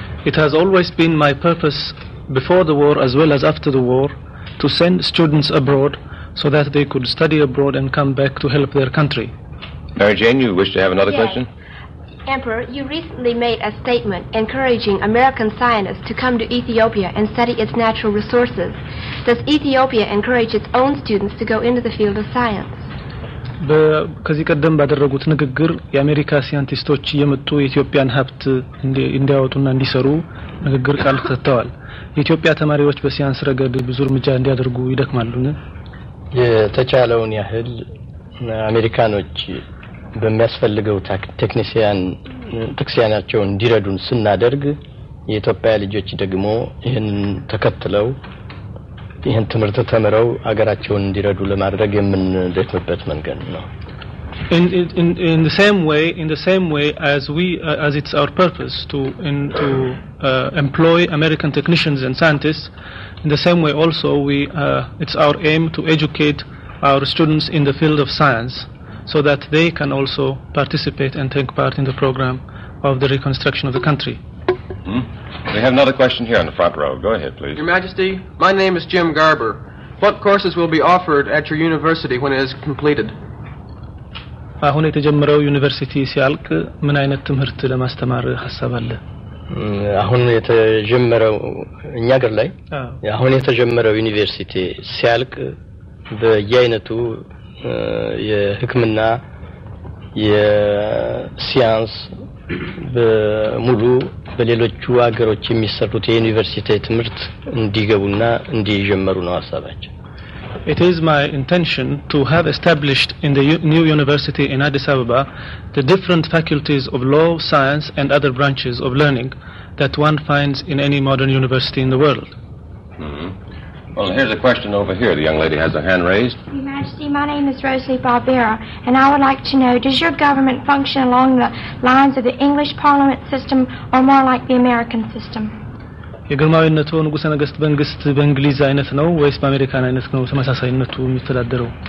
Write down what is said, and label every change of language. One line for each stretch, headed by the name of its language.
English: It has always been my purpose before the war as well as after the war to send students abroad so that they could study abroad and come back to help their country. Mary Jane, you wish to have another question? Emperor, you recently made a statement encouraging American scientists to come to Ethiopia and study its natural resources. Does Ethiopia encourage its own students to go into the field of science?
Amharic: ከዚህ ቀደም ባደረጉት ንግግር የአሜሪካ ሳይንቲስቶች የመጡ ኢትዮጵያን ሀብት እንዲያወጡና እንዲሰሩ ንግግር ቃል ተጠዋል። የኢትዮጵያ ተማሪዎች በሳይንስ ረገድ ብዙ ርምጃ እንዲያደርጉ ይደክማሉን? የተቻለውን ያህል አሜሪካኖች በሚያስፈልገው ቴክኒሽያናቸው እንዲረዱን ስናደርግ የኢትዮጵያ ልጆች ደግሞ ይህንን ተከትለው ይህን ትምርት ተመረው አገራቸውን እንዲረዱ ለማድረግ የምንደክምበት መንገድ ነው።
English: In the same way as it's our purpose to employ American technicians and scientists, in the same way also it's our aim to educate our students in the field of science so that they can also participate and take part in the program of the reconstruction of the country. We have another question here in the front row. Go ahead, please. Your Majesty, my name is Jim Garber. What courses will be offered at your university when it is completed?
Amharic: አሁን የተጀመረው ዩኒቨርሲቲ ሲያልቅ ምን አይነት ትምህርት ለማስተማር ሐሳብ አለ? አሁን የተጀመረው እኛ ጋር ላይ አሁን የተጀመረው ዩኒቨርሲቲ ሲያልቅ በየአይነቱ የህክምና የሳይንስ በሙሉ በሌሎቹ ሀገሮች የሚሰሩት የዩኒቨርሲቲ ትምህርት እንዲገቡና እንዲጀመሩ ነው ሐሳባችን።
English: It is my intention to have established in the new university in Addis Ababa the different faculties of law, science and other branches of learning that one finds in any modern university in the world. Mm-hmm. Well, here's a question over here. The young lady has her hand raised. See, my name is Rosalie Barbera, and I would like to know, does your government function along the lines of the English Parliament system or more like the American system?
Amharic: የግርማዊነቱ ንጉሰ ነገስት መንግስት በእንግሊዝ አይነት ነው ወይስ በአሜሪካን አይነት ነው ተመሳሳይነቱ የሚተዳደረው?